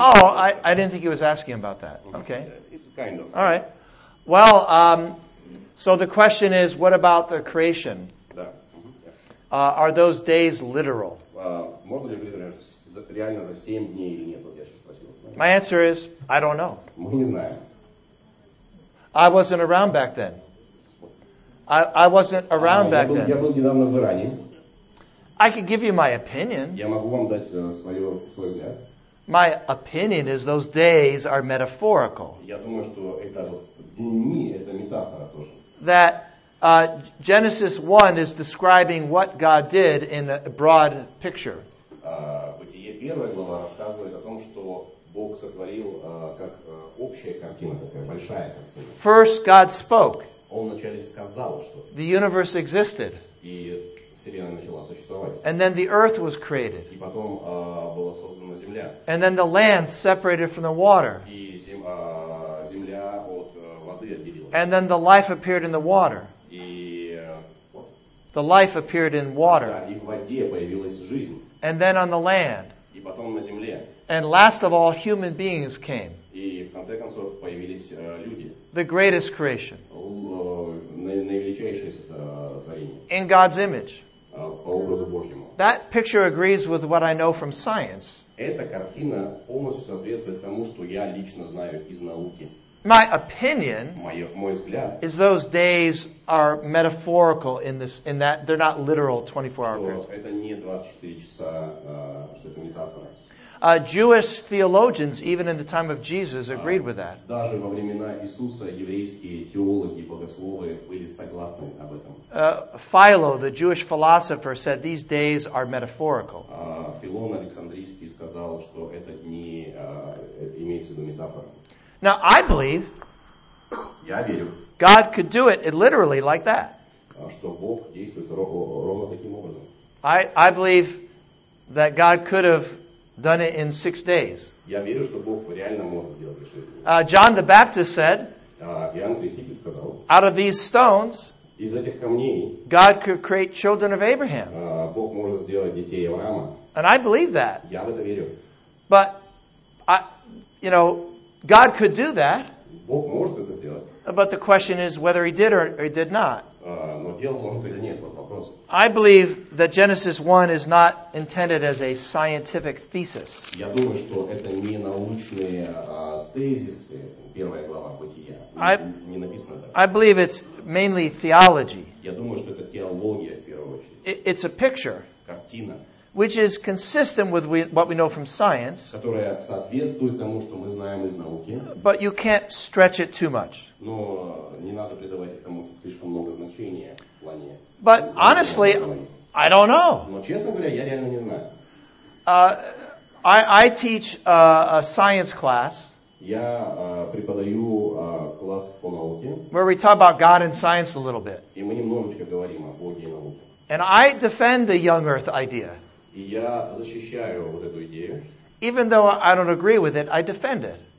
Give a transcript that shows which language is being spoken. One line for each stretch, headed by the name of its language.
English: Oh, I didn't think he was asking about that. Mm-hmm. Okay. It's kind of. All right. Well, so the question is, what about the creation?
Russian: Да. Mm-hmm.
English: Yeah. Are those days literal?
Russian: Можно ли говорить? Реально за 7 дней или нет, вот я сейчас спросил.
English: My answer is, I don't know.
Russian: Мы не знаем.
English: I wasn't around back then. I wasn't around back then.
Russian: Я был недавно в Иране.
English: I could give you my opinion.
Russian: Я могу вам дать свой взгляд.
English: My opinion is those days are metaphorical.
Russian: Я думаю, что это дни, это метафора тоже.
English: That Genesis 1 is describing what God did in a broad picture.
Russian: Первая глава рассказывает о том, что Бог сотворил как общая картина, такая большая картина.
English: First God spoke.
Russian: Он вначале сказал, что.
English: The universe existed.
Russian: И Вселенная начала существовать.
English: And then the earth was created.
Russian: И потом была создана земля.
English: And then the land separated from the water.
Russian: И земля от воды отделилась.
English: And then the life appeared in the water.
Russian: И
English: The life appeared in water.
Russian: Да, и в воде появилась жизнь.
English: And then on the land.
Russian: И потом на земле.
English: And last of all, human beings came.
Russian: И в конце концов появились люди.
English: The greatest creation.
Russian: Наивеличайшее творение.
English: In God's image.
Russian: По образу Божьему.
English: That picture agrees with what I know from science.
Russian: Эта картина полностью соответствует тому, что я лично знаю из науки.
English: My opinion.
Russian: Мой взгляд.
English: Is those days are metaphorical in this, in that they're not literal 24-hour periods.
Russian: Это не 24 часа, что это метафора.
English: Jewish theologians, even in the time of Jesus, agreed with that.
Russian: Даже во времена Иисуса еврейские теологи, богословы были согласны об этом.
English: Philo, the Jewish philosopher, said these days are metaphorical.
Russian: Филон Александрийский сказал, что это дни имеется в виду метафора.
English: Now I believe.
Russian: Я верю.
English: God could do it literally like that.
Russian: Что Бог действует ровно таким образом.
English: I believe that God could have done it in 6 days.
Russian: Я верю, что Бог реально мог сделать решение.
English: John the Baptist said,
Russian: Иоанн Креститель сказал,
English: out of these stones,
Russian: из этих камней,
English: God could create children of Abraham.
Russian: Бог может сделать детей Авраама.
English: And I believe that.
Russian: Я в это верю.
English: But, God could do that.
Russian: Бог может это сделать.
English: But the question is whether he did or he did not.
Russian: Но делал он это или нет, вот вопрос.
English: I believe that Genesis 1 is not intended as a scientific thesis.
Russian: Я думаю, что это не научные тезисы. Первая глава Бытия. Не написано так.
English: I believe it's mainly theology.
Russian: Я думаю, что это теология в первую очередь.
English: It's a picture.
Russian: Картина.
English: Which is consistent with what we know from science.
Russian: Которая соответствует тому, что мы знаем из науки.
English: But you can't stretch it too much.
Russian: Но не надо придавать этому слишком много значения в плане.
English: But honestly, I don't know.
Russian: Но честно говоря, я реально не знаю.
English: I teach a science class.
Russian: Я преподаю класс по науке.
English: Where we talk about God and science a little bit.
Russian: И мы немножечко говорим о Боге и науке.
English: And I defend the young earth idea.
Russian: И я защищаю вот эту идею.
English: Even though I don't agree with it, I defend it.